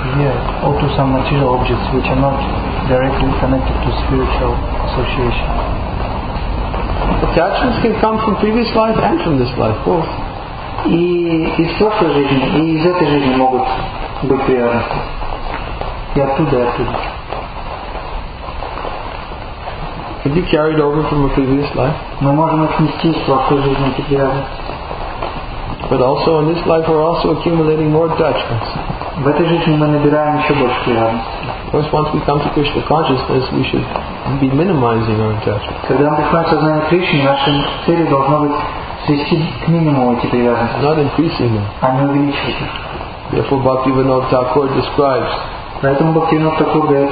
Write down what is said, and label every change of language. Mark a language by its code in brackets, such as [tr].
[en] Yeah, or to some material objects which are not directly connected to spiritual association. Attachments can come from previous life and from this life, both. [ru] И из прошлой жизни, и из этой жизни могут быть привязанности. И оттуда, и оттуда. [en] Could you carry it over from a previous life? [ru] Мы можем отнести из прошлой жизни эти привязанности. [en] But also in this life we're also accumulating more attachments. [ru] В этой жизни мы набираем еще больше привязанностей. [en] Of course, once we come to Krishna consciousness, we should be minimizing our attachments. [ru] Когда мы приходим к сознанию Кришны, наша цель должна быть свести к минимуму эти привязанности. [en] Not increasing them. [ru] А не увеличивать их. [en] Therefore, Bhaktivinoda Thakur describes. [ru] Поэтому Бхактивинода Такур говорит,